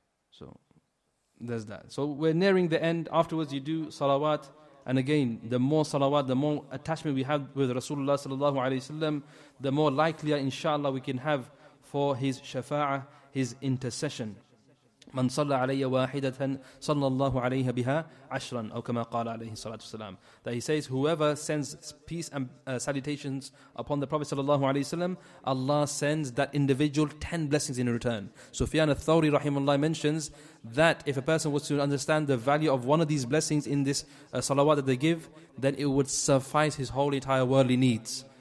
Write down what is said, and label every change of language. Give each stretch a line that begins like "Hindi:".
English: So, there's that. So, we're nearing the end. Afterwards, you do salawat. And again, the more salawat, the more attachment we have with Rasulullah sallallahu alayhi wa sallam, the more likely, inshallah, we can have for his shafa'ah, his intercession.
Arabic: من صلى علي واحدة صلى الله عليها بها عشرا أو كما قال عليه الصلاة والسلام.
English: That he says, whoever sends peace and salutations upon the Prophet
Arabic: صلى الله عليه وسلم,
English: Allah sends that individual 10 blessings in return. Sufyan al-Thawri rahimahullah mentions that if a person was to understand the value of one of these blessings in this salawat that they give, then it would suffice his whole entire worldly needs.